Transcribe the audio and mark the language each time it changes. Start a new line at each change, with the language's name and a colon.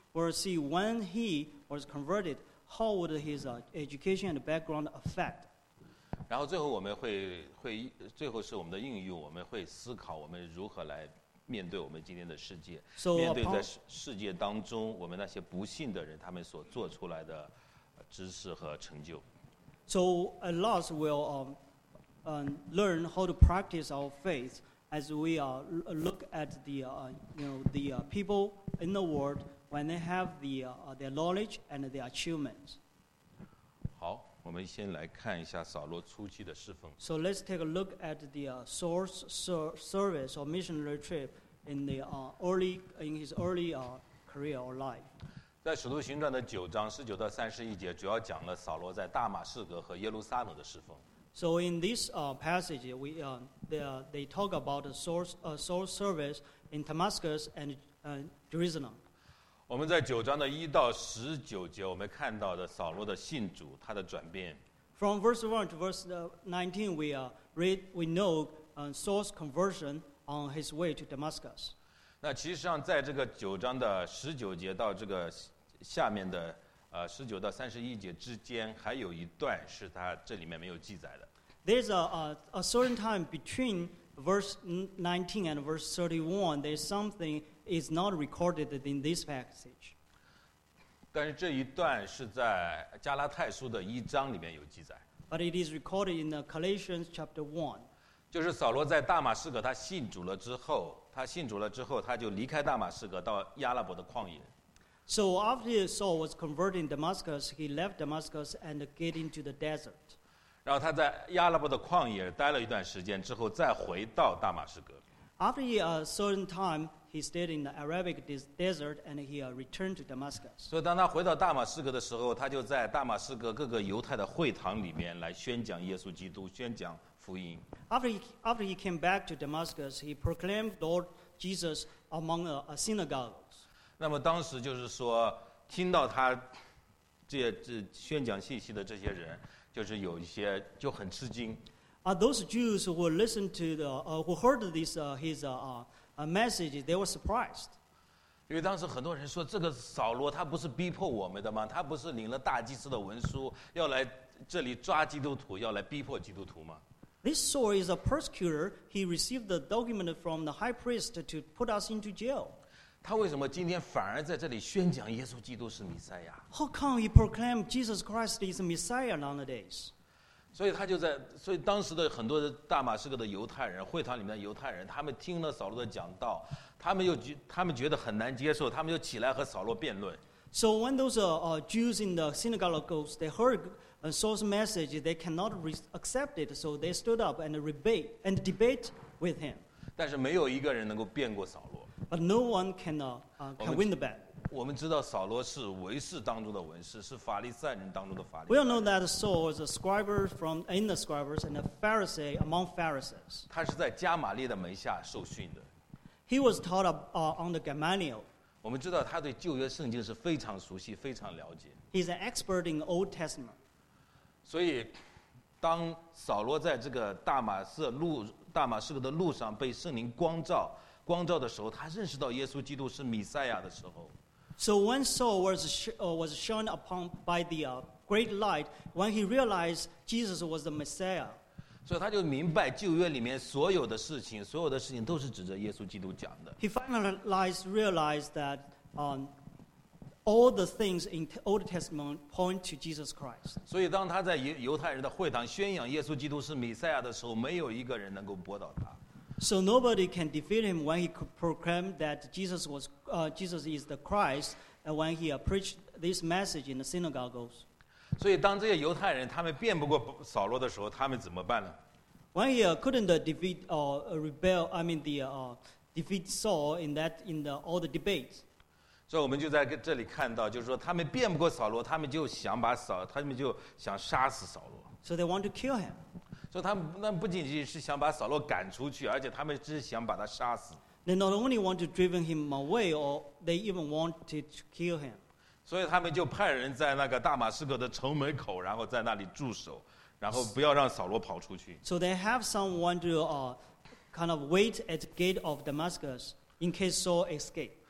English: We'll see when he was converted, how would his education and background affect.
Chinese: 然后最后我们会最后是我们的应用，我们会思考我们如何来面对我们今天的世界，
English: so、
Chinese: 面对在世界当中我们那些不信的人他们所做出来的知识和成就。
English: So at last we'll learn how to practice our faith as we look at the people in the world when they have their knowledge and their achievements.
Chinese: 好，我们先来看一下扫罗初期的侍奉。
English: So let's take a look at the source service or missionary trip in the early career or life.
Chinese: 在使徒行传的九章十九到三十一节，主要讲了扫罗在大马士革和耶路撒冷的侍奉。
English: So in this passage, they talk about Saul's service in Damascus and Jerusalem.
Chinese: 我们在九章的一到十九节，我们看到的扫罗的信主，他的转变。
English: From verse 1 to verse 19, we know Saul's conversion on his way to Damascus.
Chinese: 那其实上在这个九章的十九节到这个下面的十九到三十一节之间，还有一段是他这里面没有记载的。
English: There's a certain time between verse 19 and verse 31. There's something is not recorded in this passage.
Chinese: 但是这一段是在加拉太书的一章里面有记载。
English: But it is recorded in the Colossians chapter 1.
Chinese: 就是扫罗在大马士革他信主了之后。他信主了之后，他就离开大马士革，到亚拉伯的旷野。
English: So after Saul was converted in Damascus, he left Damascus and get into the desert.
Chinese: 然后他在亚拉伯的旷野待了一段时间之后，再回到大马士革。
English: After a certain time, he stayed in the Arabic desert and he returned to Damascus.
Chinese: 所以当他回到大马士革的时候，他就在大马士革各个犹太的会堂里面来宣讲耶稣基督，宣讲。
English: After he came back to Damascus, he proclaimed Lord Jesus among the synagogues.
Chinese: 那么当时就是说，听到他这宣讲信息的这些人，就是有一些就很吃惊。
English: Those Jews who listened to the who heard this message, they were surprised.
Chinese: 因为当时很多人说，这个扫罗他不是逼迫我们的吗？他不是领了大祭司的文书，要来这里抓基督徒，要来逼迫基督徒吗？
English: This Saul is a persecutor. He received the document from the high priest to put us into jail.
Chinese: 他为什么今天反而在这里宣讲耶稣基督是弥赛亚？
English: How come he proclaimed Jesus Christ is Messiah nowadays?
Chinese: 所以当时的很多大马士革的犹太人，会堂里面的犹太人，他们听了扫罗的讲道，他们觉得很难接受，他们就起来和扫罗辩论。
English: So when those Jews in the synagogues, they heard Saul's message, they cannot accept it, so they stood up and debate with him.
Chinese: 但是没有一个人能够辩过扫罗。
English: But no one can win the battle.
Chinese: 我们知道扫罗是文士当中的文士，是法利赛人当中的法利。
English: We all know that Saul is a scribe from in the scribes and a Pharisee among Pharisees.
Chinese: 他是在加玛列的门下受训的。
English: He was taught on the Gamaliel.
Chinese: 我们知道他对旧约圣经是非常熟悉非常了解。
English: He's an expert in Old Testament.
Chinese: 所以当扫罗在这个大马色路大马士革的路上被圣灵光照，光照的时候，他认识到耶稣基督是弥赛亚的时候。
English: So when Saul was shone upon by the great light, when he realized Jesus was the Messiah.
Chinese: 所以他就明白旧约里面所有的事情，所有的事情都是指着耶稣基督讲的。
English: He finally realized that all the things in the Old Testament point to Jesus Christ.
Chinese: 所以当他在犹太人的会堂宣扬耶稣基督是弥赛亚的时候，没有一个人能够驳倒他。
English: So nobody can defeat him when he proclaimed that Jesus was Jesus is the Christ, and when he preached this message in the synagogues.
Chinese: 所以当这些犹太人他们辩不过扫罗的时候，他们怎么办呢？
English: When he couldn't defeat defeat Saul in all the debates.
Chinese: 所以我们就在这里看到，就是说他们辩不过扫罗，他们就想杀死扫罗。
English: So they want to kill him.
Chinese: 所以他们那不仅仅是想把扫罗赶出去，而且他们只是想把他杀死。
English: They not only want to drive him away, or they even wanted to kill him.
Chinese: 所以他们就派人在那个大马士革的城门口，然后在那里驻守，然后不要让扫罗跑出去。
English: So they have someone to kind of wait at the gate of Damascus in case Saul escape.